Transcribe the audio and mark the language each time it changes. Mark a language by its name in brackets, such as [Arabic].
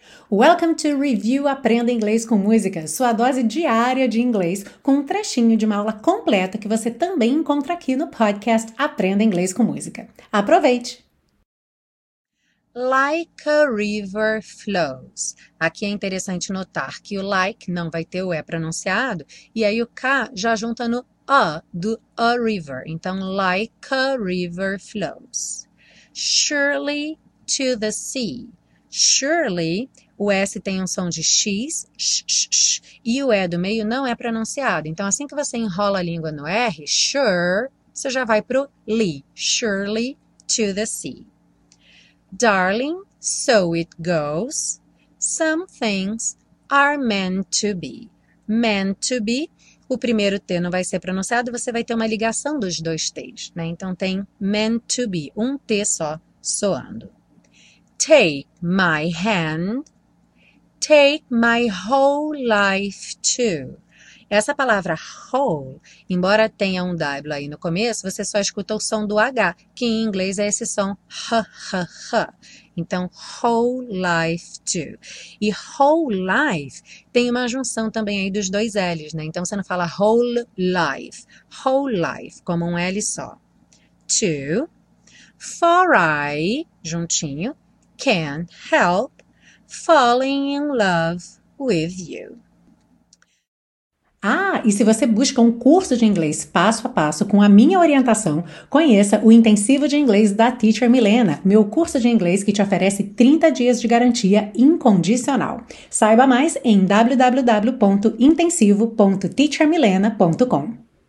[English] Welcome to Review [Portuguese] Aprenda Inglês com Música, sua dose diária de inglês, com um trechinho de uma aula completa que você também encontra aqui no podcast Aprenda Inglês com Música. Aproveite! [English] Like a river flows. [Portuguese] Aqui é interessante notar que o like não vai ter o E pronunciado, e aí o K já junta no A do a river. [English] Então, like a river flows. Surely to the sea. [Portuguese] Surely, o S tem um som de X, sh, sh, sh, e o E do meio não é pronunciado. Então, assim que você enrola a língua no R, sure, você já vai pro li. [English] Surely to the sea. Darling, so it goes. Some things are meant to be. Meant to be, [Portuguese] o primeiro T não vai ser pronunciado, você vai ter uma ligação dos dois T's, né? Então, tem [English] meant to be, [Portuguese] um T só soando. [English] Take my hand, take my whole life too. [Portuguese] Essa palavra whole, embora tenha um W aí no começo, você só escuta o som do H, que em inglês é esse som h, h, h. Então, [English] whole life too. [Portuguese] E whole life tem uma junção também aí dos dois L's, né? Então, você não fala [English] whole life, [Portuguese] como um L só. [English] To, for I, juntinho, can help falling in love with you. [Portuguese] Ah, e se você busca um curso de inglês passo a passo com a minha orientação, conheça o Intensivo de Inglês da Teacher Milena, meu curso de inglês que te oferece 30 dias de garantia incondicional. Saiba mais em www.intensivo.teachermilena.com.